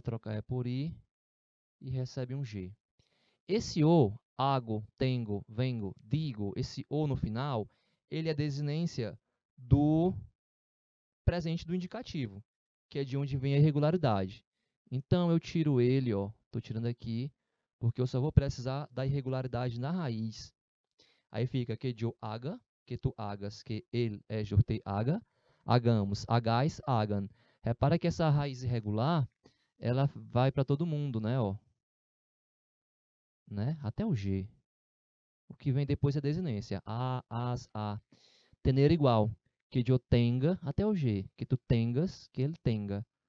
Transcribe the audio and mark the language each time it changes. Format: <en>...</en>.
<pt>Trocar é por i e recebe um g. Esse o,</pt> <es>hago, tengo, vengo, digo,</es> <pt>esse o no final, ele é desinência do presente do indicativo, que é de onde vem a irregularidade. Então, eu tiro ele, ó, tô tirando aqui, porque eu só vou precisar da irregularidade na raiz. Aí fica</pt> <es>que yo haga, que tu hagas, que él, yo te haga, hagamos, hagáis, hagan.</es> <pt>Repara que essa raiz irregular, ela vai para todo mundo, né, ó. Né? Até o G. O que vem depois é a desinência. A, as, a. Tener igual.</pt> <es>Que yo tenga,</es> <pt>até o G.</pt> <es>Que tu tengas, que ele tenga.</es>